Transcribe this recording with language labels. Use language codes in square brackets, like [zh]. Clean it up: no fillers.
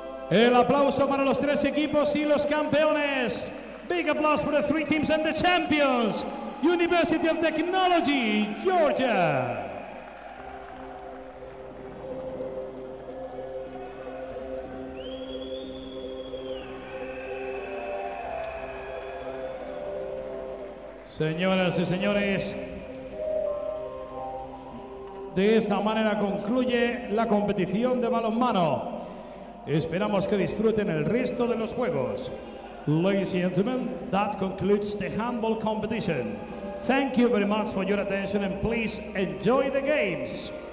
[es] El aplauso para los tres equipos y los campeones. [en] Big applause for the three teams and the champions. University of Technology, Georgia. [es] Señoras y señores, de esta manera concluye la competición de balonmano. Esperamos que disfruten el resto de los juegos. [en] Ladies and gentlemen, that concludes the handball competition. Thank you very much for your attention and please enjoy the games.